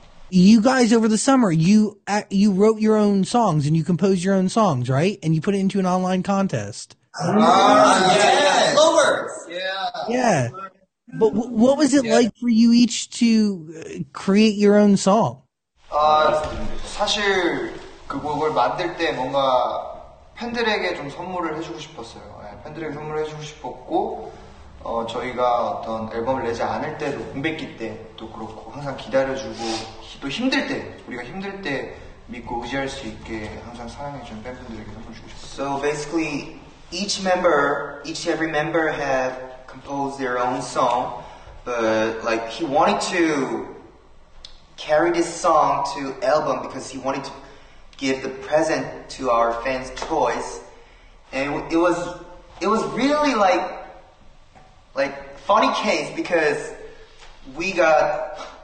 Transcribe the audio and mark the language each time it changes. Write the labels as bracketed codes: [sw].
[en] You guys over the summer, you wrote your own songs and you composed your own songs, right? And you put it into an online contest. Yeah. But what was it like for you each to create your own song? [ko] 사실 그 곡을 만들 때 뭔가 팬들에게 좀 선물을 해주고 싶었어요. 팬들에게 선물을 해주고 싶었고 저희가 어떤 앨범을 내지 않을 때도 공백기 때도 그렇고 항상 기다려주고 또 힘들 때 우리가 힘들 때 믿고 의지할 수 있게 항상 사랑해주는 팬분들에게 선물 주고 싶었어요. [en] So basically every member have compose their own song, but like he wanted to carry this song to album because he wanted to give the present to our fans' choice, and it was really like funny case because we got